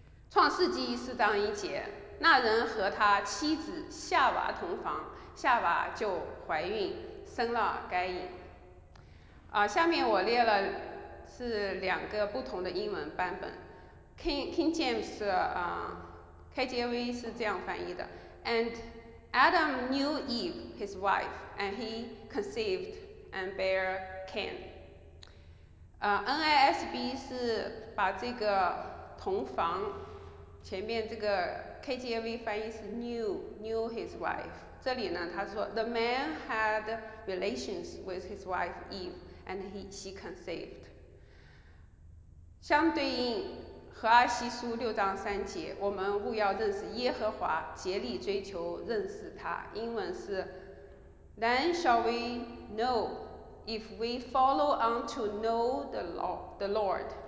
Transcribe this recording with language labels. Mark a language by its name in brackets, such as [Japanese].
[Chinese] 创世纪四章一节，那人和他妻子夏娃同房，夏娃就怀孕生了该隐。下面我列了是两个不同的英文版本。 [English] King James KJV [Chinese] 是这样翻译的， [English] And Adam knew Eve his wife, and he conceived and bare Cain. NASB [Chinese] 是把这个同房前面这个 [English] KJV [Chinese] 翻译是 [English] knew his wife， [Chinese] 这里呢他说 [English] The man had relations with his wife Eve, and she conceived. [Chinese] 相对应和阿西书六章三节，我们务要认识耶和华，竭力追求认识他。英文是 [English] Then shall we know if we follow on to know the Lord。